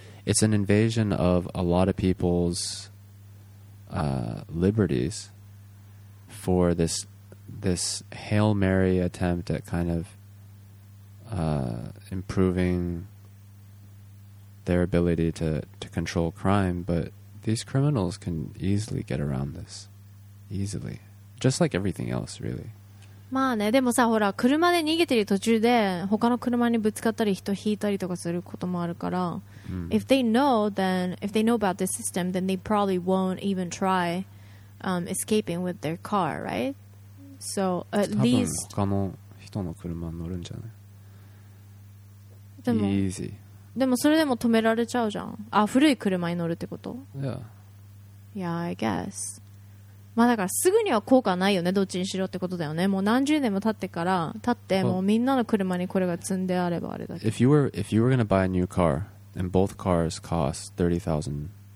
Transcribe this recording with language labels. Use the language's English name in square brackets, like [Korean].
[English] It's an invasion of a lot of people's、liberties for this Hail Mary attempt at kind of improving their ability to control crime, but these criminals can easily get around this. Easily. Just like everything else, really. [Japanese] まあね、でもさ、ほら、車で逃げてる途中で他の車にぶつかったり人引いたりとかすることもあるから、mm. [English] If they know about this system, then they probably won't even try escaping with their car, right? So at least [Japanese] 多分他の人の車に乗るんじゃない？でも、 [English] Easy. [Japanese] でもそれでも止められちゃうじゃん。あ、古い車に乗るってこと？ [English] Yeah. Yeah, I guess. [Japanese] まあだからすぐには効果ないよね。どっちにしろってことだよね。もう何十年も経ってもうみんなの車にこれが積んであればあれだけど。 [English] If you were going to buy a new car and both cars cost $30,000.